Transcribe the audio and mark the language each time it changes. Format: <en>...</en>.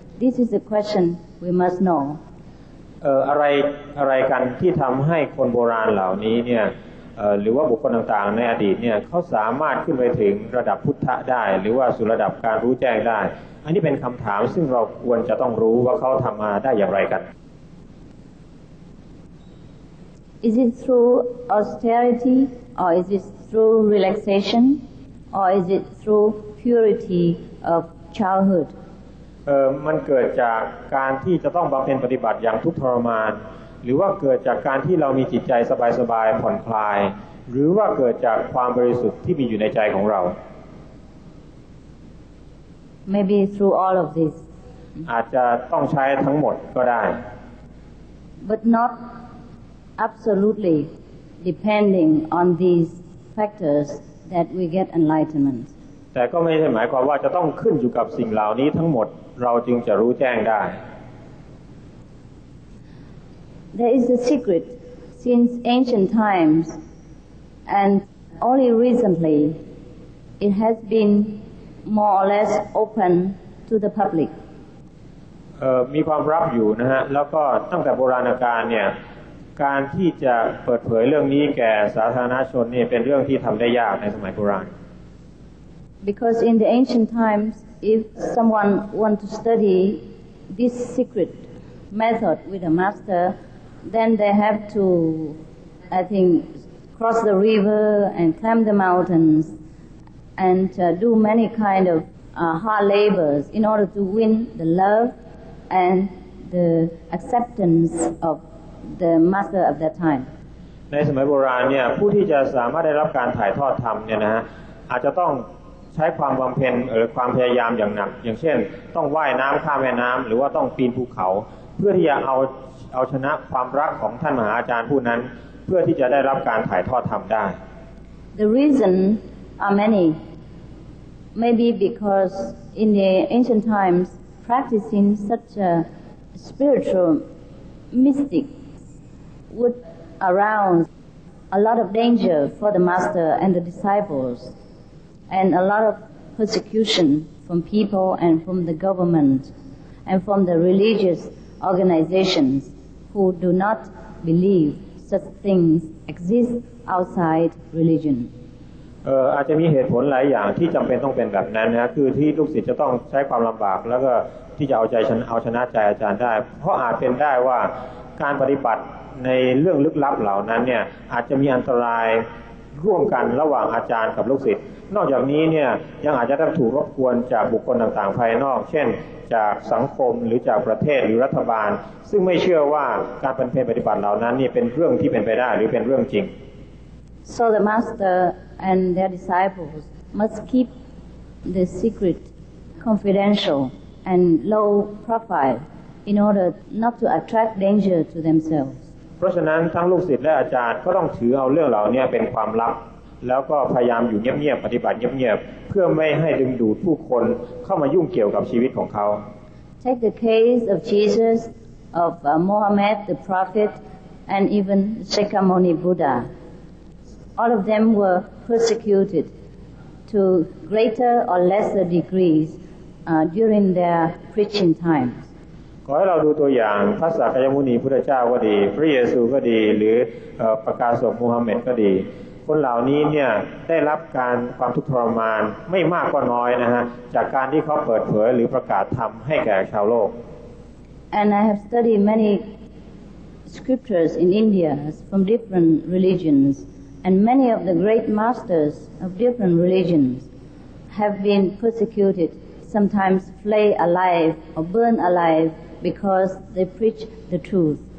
<en>This is a question we must know.</en> <th>อะไรกันที่ทำให้คนโบราณเหล่านี้เนี่ยหรือว่าบุคคลต่างๆในอดีตเนี่ยเขาสามารถขึ้นไปถึงระดับพุทธะได้หรือว่าสู่ระดับการรู้แจ้งได้อันนี้เป็นคำถามซึ่งเราควรจะต้องรู้ว่าเขาทำมาได้อย่างไรกัน</th> <en>Is it through austerity or is it through relaxation or is it through purity of childhood?</en> <th>มันเกิดจากการที่จะต้องบำเพ็ญปฏิบัติอย่างทุกข์ทรมานหรือว่าเกิดจากการที่เรามีจิตใจสบายๆผ่อนคลายหรือว่าเกิดจากความบริสุทธิ์ที่มีอยู่ในใจของเรา</th> <en>Maybe through all of this</en> <th>อาจจะต้องใช้ทั้งหมดก็ได้</th> <en>But not absolutely depending on these factors that we get enlightenment</en> <th>แต่ก็ไม่ใช่หมายความว่าจะต้องขึ้นอยู่กับสิ่งเหล่านี้ทั้งหมดเราจึงจะรู้แจ้งได้</th> <en>There is a secret since ancient times and only recently it has been more or less open to the public</en> <th>มีความลับอยู่นะฮะแล้วก็ตั้งแต่โบราณกาลเนี่ยการที่จะเปิดเผยเรื่องนี้แก่สาธารณชนนี่เป็นเรื่องที่ทำได้ยากในสมัยโบราณ</th> <en>Because in the ancient times, if someone want to study this secret method with a master, then they have to, I think, cross the river and climb the mountains and do many kind of hard labors in order to win the love and the acceptance of the master of that time.</en> <th>ในสมัยโบราณเนี่ยผู้ที่จะสามารถได้รับการถ่ายทอดธรรมเนี่ยนะฮะอาจจะต้องใช้ความบำเพ็ญหรือความพยายามอย่างหนักอย่างเช่นต้องว่ายน้ำข้ามแม่น้ำหรือว่าต้องปีนภูเขาเพื่อที่จะเอาชนะความรักของท่านมหาอาจารย์ผู้นั้นเพื่อที่จะได้รับการถ่ายทอดธรรมได้</th> <en>The reason are many maybe because in the ancient times practicing such a spiritual mystic would arouse a lot of danger for the master and the disciplesAnd a lot of persecution from people and from the government and from the religious organizations who do not believe such things exist outside religion.</en> <th>อาจจะมีเหตุผลหลายอย่างที่จำเป็นต้องเป็นแบบนั้นนะคือที่ลูกศิษย์จะต้องใช้ความลำบากแล้วก็ที่จะเอาชนะใจอาจารย์ได้เพราะอาจเป็นได้ว่าการปฏิบัติในเรื่องลึกลับเหล่านั้นเนี่ยอาจจะมีอันตรายร่วมกันระหว่างอาจารย์กับลูกศิษย์นอกจากนี้เนี่ยยังอาจจะต้องถูกรบกวนจากบุคคลต่างๆภายนอกเช่นจากสังคมหรือจากประเทศหรือรัฐบาลซึ่งไม่เชื่อว่าการเป็นเพศปฏิบัติเหล่านั้นนี่เป็นเรื่องที่เป็นไปได้หรือเป็นเรื่องจริง</th> <en>So the master and their disciples must keep the secret confidential and low profile in order not to attract danger to themselves</en> <th>พราะฉะนั้นทั้งลูกศิษย์และอาจารย์ก็ต้องถือเอาเรื่องเหล่านี้เป็นความลับแล้วก็พยายามอยู่เงียบๆปฏิบัติเงียบๆเพื่อไม่ให้ดึงดูดผู้คนเข้ามายุ่งเกี่ยวกับชีวิตของเขา</th> <en>Take the case of Jesus of Muhammad the prophet and even Shakyamuni Buddha all of them were persecuted to greater or lesser degrees during their preaching time</en> <th>ขอให้เราดูตัวอย่างพระสักยมุนีพุทธเจ้าก็ดีพระเยซูก็ดีหรือประกาศกมูฮัมหมัดก็ดีคนเหล่านี้เนี่ยได้รับการความทุกข์ทรมานไม่มากก็น้อยนะฮะจากการที่เขาเปิดเผยหรือประกาศธรรมให้แก่ชาวโลก</th> <en>And I have studied many scriptures in India from different religions and many of the great masters of different religions have been persecutedSometimes flay alive or burn alive because they preach the truth.</en>